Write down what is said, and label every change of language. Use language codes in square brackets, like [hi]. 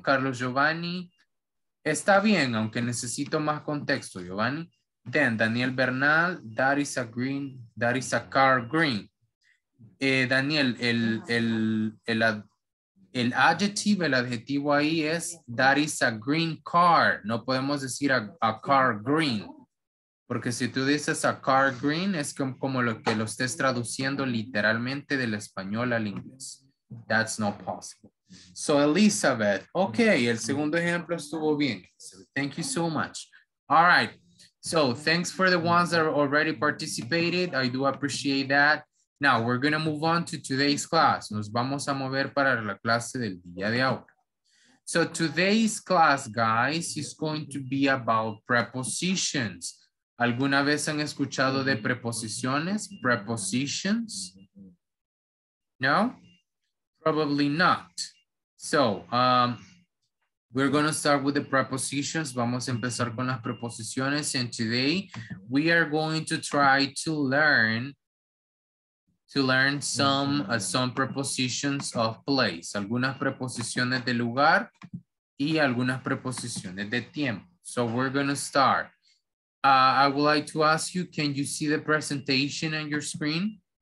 [es] Carlos Giovanni, está bien, aunque necesito más contexto, Giovanni. [en] Then Daniel Bernal, that is a green, that is a car green. [es] Daniel, el adjetivo, el adjetivo ahí es [en] that is a green car. [es] No podemos decir [en] a car green. [es] Porque si tú dices [en] a car green, [es] es como lo que lo estés traduciendo literalmente del español al inglés. [en] That's not possible. So Elizabeth, okay, [es] el segundo ejemplo estuvo bien. [en] So, thank you so much. All right. So thanks for the ones that already participated. I do appreciate that. Now we're going to move on to today's class. [es] Nos vamos a mover para la clase del día de ahora. [en] So today's class, guys, is going to be about prepositions. [es] ¿Alguna vez han escuchado de preposiciones? Prepositions? No? [en] Probably not. So, we're going to start with the prepositions. [es] Vamos a empezar con las preposiciones. [en] And today we are going to try to learn some prepositions of place. [es] Algunas preposiciones de lugar y algunas preposiciones de tiempo. [en] So we're going to start. I would like to ask you, can you see the presentation on your screen?